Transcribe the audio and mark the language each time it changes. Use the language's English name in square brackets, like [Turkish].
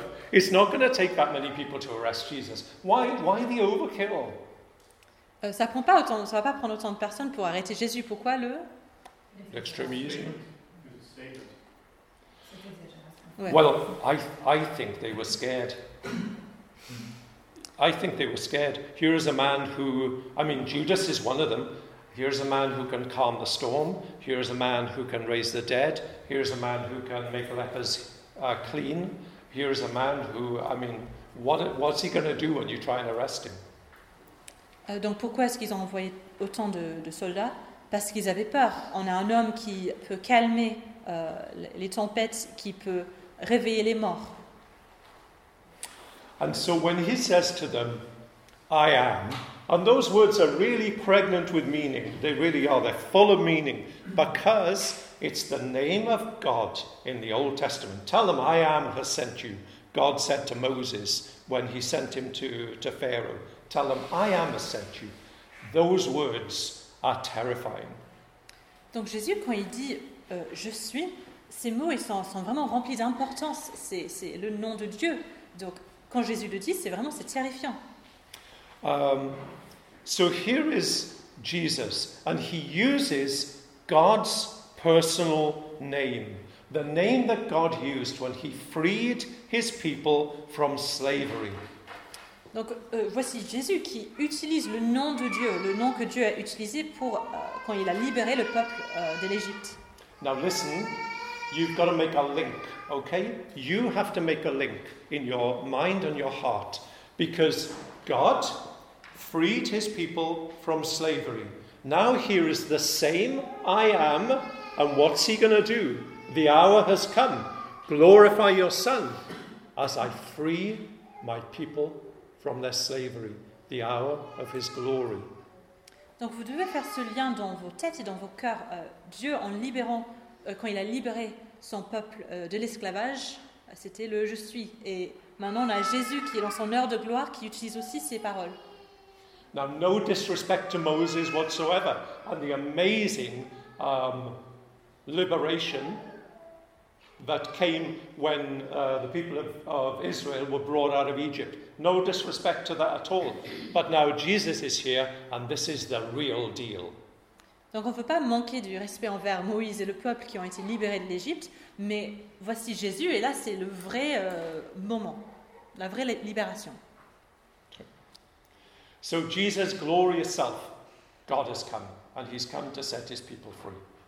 [English] It's not going to take that many people to arrest Jesus. Why the overkill? [French] Ça prend pas autant, ça va pas prendre autant de personnes pour arrêter Jésus. Pourquoi le? L'extrémisme. [English] Well, I think they were scared. I think they were scared. Here is a man who, I mean, Judas is one of them. Here is a man who can calm the storm. Here is a man who can raise the dead. Here is a man who can make lepers clean. Here is a man who, I mean, what's he going to do when you try and arrest him? [French] Donc pourquoi est-ce qu'ils ont envoyé autant de soldats? Parce qu'ils avaient peur. On a un homme qui peut calmer les tempêtes, qui peut réveiller les morts. [English] And so when he says to them, I am, and those words are really pregnant with meaning, they really are, they're full of meaning, because it's the name of God in the Old Testament. Tell them, I am has sent you. God said to Moses when he sent him to Pharaoh. Tell them, I am has sent you. Those words are terrifying. [French] Donc Jésus, quand il dit, je suis, ces mots, ils sont vraiment remplis d'importance. C'est le nom de Dieu. Donc, quand Jésus le dit, c'est vraiment terrifiant. [English] So here is Jesus, and he uses God's personal name, the name that God used when he freed his people from slavery. [French] Donc voici Jésus qui utilise le nom de Dieu, le nom que Dieu a utilisé pour quand il a libéré le peuple de l'Égypte. [English] Now listen, you've got to make a link, okay? You have to make a link in your mind and your heart, because God freed his people from slavery. Now here is the same I am, and what's he going to do? The hour has come. Glorify your son as I free my people from their slavery, the hour of his glory. [French] Donc vous devez faire ce lien dans vos têtes et dans vos cœurs. Dieu, en libérant, quand il a libéré son peuple de l'esclavage, c'était le « je suis ». Et maintenant, on a Jésus qui est dans son heure de gloire, qui utilise aussi ses paroles. [English] Now, no disrespect to Moses whatsoever, and the amazing liberation that came when the people of Israel were brought out of Egypt. No disrespect to that at all. But now Jesus is here, and this is the real deal. [French] Donc on ne peut pas manquer du respect envers Moïse et le peuple qui ont été libérés de l'Égypte, mais voici Jésus, et là c'est le vrai moment, la vraie libération. [English] So Jesus' glorious self, God has come, and he's come to set his people free.